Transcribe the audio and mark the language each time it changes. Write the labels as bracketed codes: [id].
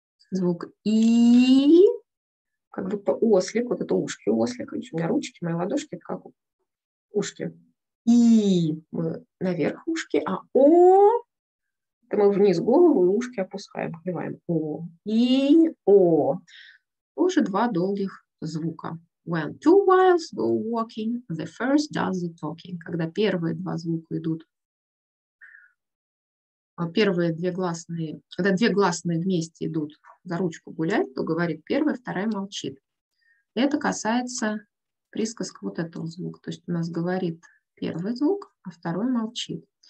[ru] Звук и, как будто ослик, вот это ушки ослика. У меня ручки, мои ладошки, это как ушки. И мы наверх ушки, а о, это мы вниз голову и ушки опускаем, открываем. О, и, о. Тоже два долгих звука. [en] When two whales go walking, the first does the talking. [ru] Когда первые два звука идут, первые две гласные, когда две гласные вместе идут за ручку гулять, то говорит первая, вторая молчит. Это касается присказка вот этого звука. То есть у нас говорит первый звук, а второй молчит.